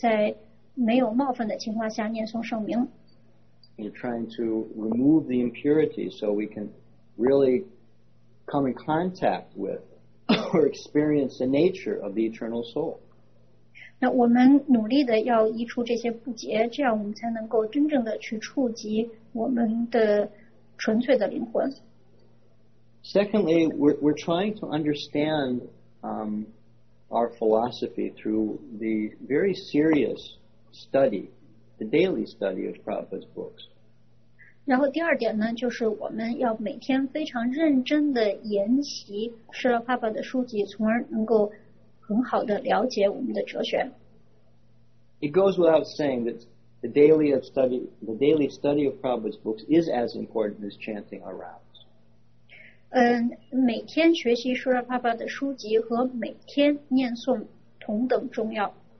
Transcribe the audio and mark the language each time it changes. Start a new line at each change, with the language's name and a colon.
Chinese: 那首先最重要的呢，就是在没有冒犯的情况下念诵圣名。
English: We're trying to remove the impurities so we can really come in contact with or experience the nature of the eternal soul.
Chinese: 那我们努力的要移除这些不洁，这样我们才能够真正的去触及我们的纯粹的灵魂。
English: Secondly, we're trying to understand our philosophy through the very serious study, the daily study of Prabhupada's books.
Chinese: 然后第二点呢，就是我们要每天非常认真的研习释迦牟尼佛的书籍，从而能够很好的了解我们的哲学。
English: It goes without saying that the daily study of Prabhupada's books is as important as chanting our rounds.
Chinese: 每天学习释迦牟尼佛的书籍和每天念诵同等重要。